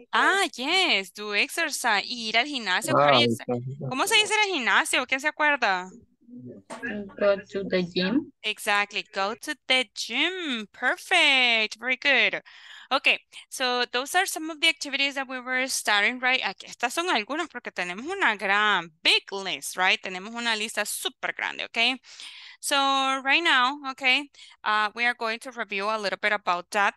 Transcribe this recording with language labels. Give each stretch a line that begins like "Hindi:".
English: Ah, yes. Do exercise.
Spanish: Ir al gimnasio.
English: Ah, okay.
Spanish: ¿Cómo se dice el gimnasio? ¿Quién se acuerda?
English: Go to the gym. Exactly. Go to the gym. Perfect. Very good. Okay. So those are some of the activities that we were starting, right?
Spanish: Aquí estas son algunas porque tenemos una gran
English: big list, right?
Spanish: Tenemos una lista super grande, okay?
English: So right now, okay, we are going to review a little bit about that.